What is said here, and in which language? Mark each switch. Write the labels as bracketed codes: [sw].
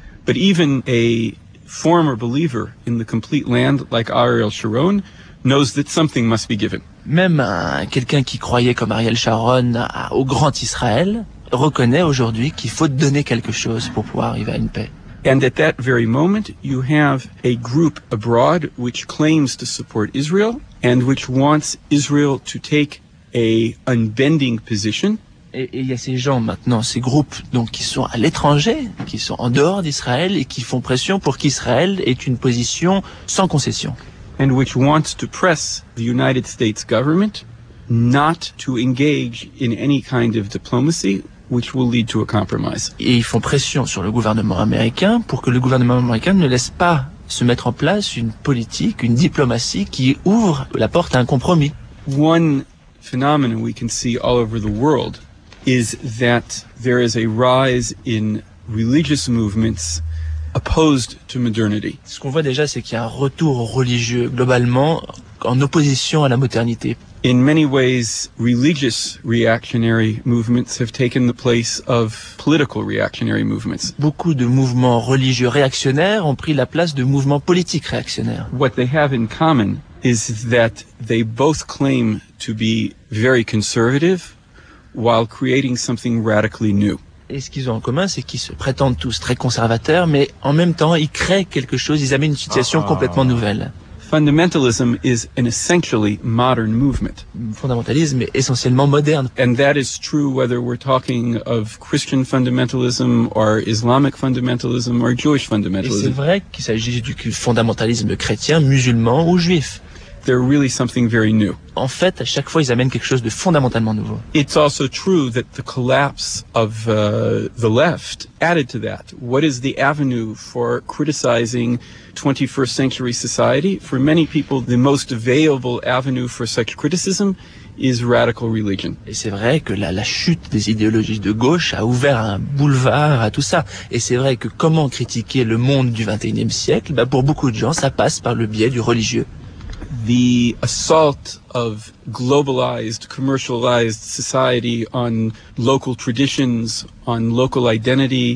[en] But even a former believer in the complete land like Ariel Sharon knows that something must be given. [fr] Même quelqu'un qui croyait comme Ariel Sharon au grand Israël reconnaît aujourd'hui qu'il faut donner quelque chose pour pouvoir arriver à une paix. [en] And at that very moment, you have a group abroad which claims to support Israel and which wants Israel to take a unbending position. [fr] Et il y a ces gens maintenant, ces groupes donc qui sont à l'étranger, qui sont en dehors d'Israël et qui font pression pour qu'Israël ait une position sans concession. [en] And which wants to press the United States government not to engage in any kind of diplomacy which will lead to a compromise. [fr] Et ils font pression sur le gouvernement américain pour que le gouvernement américain ne laisse pas se mettre en place une politique, une diplomatie qui ouvre la porte à un compromis. [en] One phenomenon we can see all over the world is that there is a rise in religious movements opposed to modernity. [fr] Ce qu'on voit déjà, c'est qu'il y a un retour religieux globalement en opposition à la modernité. [en] In many ways, religious reactionary movements have taken the place of political reactionary movements. [fr] Beaucoup de mouvements religieux réactionnaires ont pris la place de mouvements politiques réactionnaires. [en] What they have in common is that they both claim to be very conservative while creating something radically new. [fr] Et ce qu'ils ont en commun, c'est qu'ils se prétendent tous très conservateurs, mais en même temps, ils créent quelque chose, ils amènent une situation complètement nouvelle. [en] Fundamentalism is an essentially modern movement. [fr] Fondamentalisme est essentiellement moderne. [en] And that is true whether we're talking of Christian fundamentalism or Islamic fundamentalism or Jewish fundamentalism. [fr] Et c'est vrai qu'il s'agit du fondamentalisme chrétien, musulman ou juif. [en] They're really something very new. [fr] En fait, à chaque fois, ils amènent quelque chose de fondamentalement nouveau. [en] It's also true that the collapse of the left added to that. What is the avenue for criticizing 21st century society? For many people, the most available avenue for such criticism is radical religion. [fr] Et c'est vrai que la chute des idéologies de gauche a ouvert un boulevard à tout ça. Et c'est vrai que comment critiquer le monde du 21e siècle? Bah, pour beaucoup de gens, ça passe par le biais du religieux. [en] The assault of globalized, commercialized society on local traditions, on local identity.